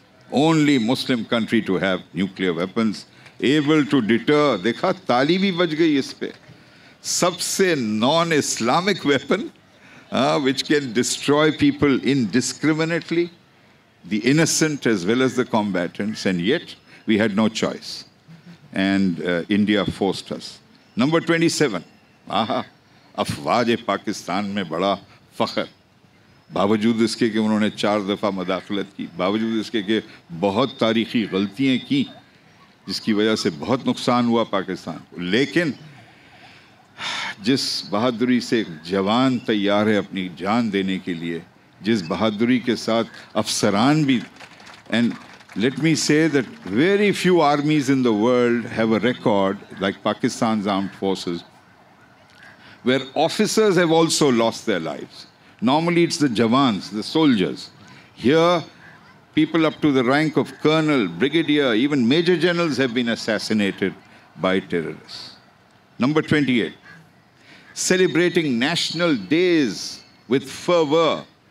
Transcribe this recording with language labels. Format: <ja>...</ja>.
<en>Only Muslim country to have nuclear weapons, able to deter.</en> <ur>Dekha, taali bhi baj gayi is pe.</ur> <en>Sabse non-Islamic weapon, which can destroy people indiscriminately, the innocent as well as the combatants, and yet we had no choice. And India forced us.</en> <ur>Number 27, افواج پاکستان میں بڑا فخر باوجود اس کے کہ انہوں نے چار دفعہ مداخلت کی باوجود اس کے کہ بہت تاریخی غلطیاں کی جس کی وجہ سے بہت نقصان ہوا پاکستان لیکن جس بہادری سے جوان تیار ہے اپنی جان دینے کے لیے جس بہادری کے ساتھ افسران بھی</ur> <en>and let me say that very few armies in the world have a record like Pakistan's armed forces where officers have also lost their lives. Normally, it's the jawans, the soldiers. Here, people up to the rank of colonel, brigadier, even major generals have been assassinated by terrorists. Number 28, celebrating national days with fervor.</en>